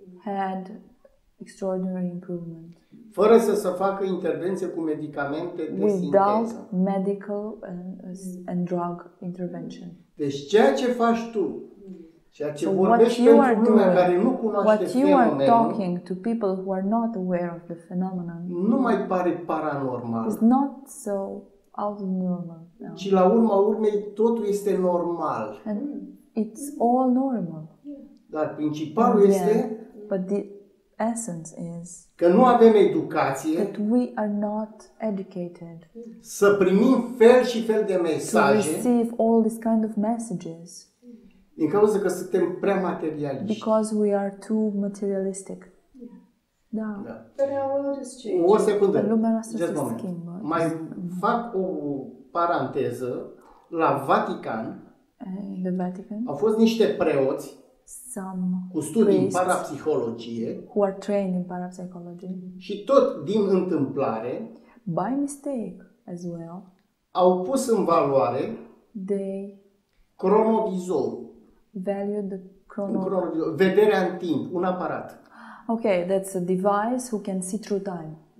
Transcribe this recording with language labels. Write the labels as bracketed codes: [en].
[en] had extraordinary improvement, [ro] fără să se facă intervenție cu medicamente de [en] without [ro] sinteză. [en] Without medical and drug intervention. [ro] Deci ceea ce faci tu, ceea ce vorbești pentru lumea care nu cunoaște fenomenul, [en] talking to people who are not aware of the phenomenon, [ro] nu mai pare paranormal. [en] It's not so out of normal. [ro] Ci la urma urmei totul este normal. [en] And it's all normal. [ro] Dar principalul este, [en] but the essence is, [ro] că nu avem educație, [en] that we are not educated, [ro] să primim fel și fel de mesaje, [en] to receive all these kind of messages, [ro] din cauza că suntem prea materialiști, [en] because we are too materialistic. [ro] Da. O secundă. Lumea noastră se schimbă. Mai fac o paranteză. La Vatican, [en] the Vatican, [ro] au fost niște preoți cu studii în parapsihologie, [en] who are trained in parapsychology, [ro] și tot din întâmplare, [en] by mistake as well, [ro] au pus în valoare [en] they [ro] cronovizorul, valued the cronovizor, vederea în timp, un aparat. [en] Okay, that's a device who can see through time.